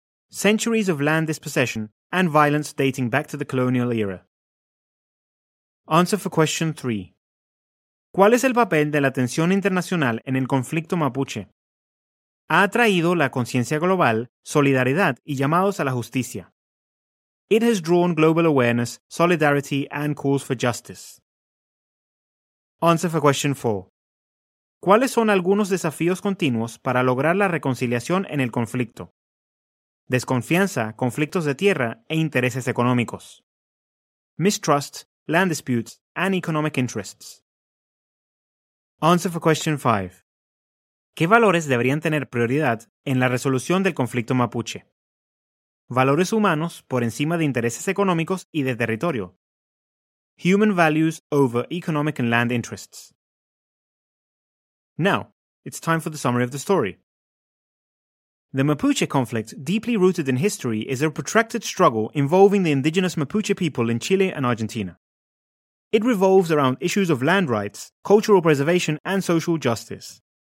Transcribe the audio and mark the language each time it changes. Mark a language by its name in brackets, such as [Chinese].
[English] Centuries of land dispossession and violence dating back to the colonial era. Answer for question 3. [Spanish] ¿Cuál es el papel de la tensión internacional en el conflicto mapuche? Ha atraído la conciencia global, solidaridad y llamados a la justicia. [English] It has drawn global awareness, solidarity and calls for justice. Answer for question 4. [Spanish] ¿Cuáles son algunos desafíos continuos para lograr la reconciliación en el conflicto? Desconfianza, conflictos de tierra e intereses económicos. [English] Mistrust, land disputes, and economic interests. Answer for question 5. [Spanish] ¿Qué valores deberían tener prioridad en la resolución del conflicto mapuche? Valores humanos por encima de intereses económicos y de territorio. [English] Human values over economic and land interests. Now, it's time for the summary of the story. The Mapuche conflict, deeply rooted in history, is a protracted struggle involving the indigenous Mapuche people in Chile and Argentina. It revolves around issues of land rights, cultural preservation, and social justice.